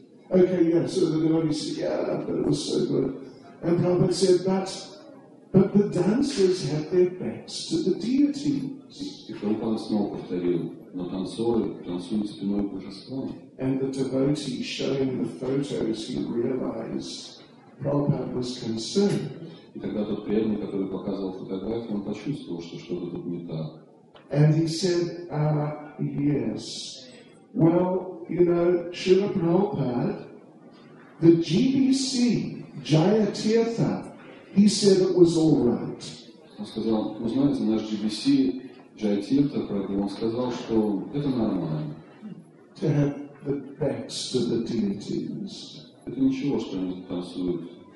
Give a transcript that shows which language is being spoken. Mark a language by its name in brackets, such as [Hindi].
[English] Okay, yeah, so the devotee said, yeah, but it was so good. And Prabhupada said, but the dancers had their backs to the deities. And the devotee, showing the photos, he realized Prabhupada was concerned. [Russian] И тогда тот преданный, который показывал фотографии, он почувствовал, что что-то тут не так. [English] And he said, yes. Well, you know, Srila Prabhupada, the GBC, Jaya Tirtha, he said it was all right. [Russian] Он сказал, вы знаете, наш GBC, Jaya Tirtha, он сказал, что это нормально. [English] To have the backs to the deities. [Russian] Это ничего, что они танцуют.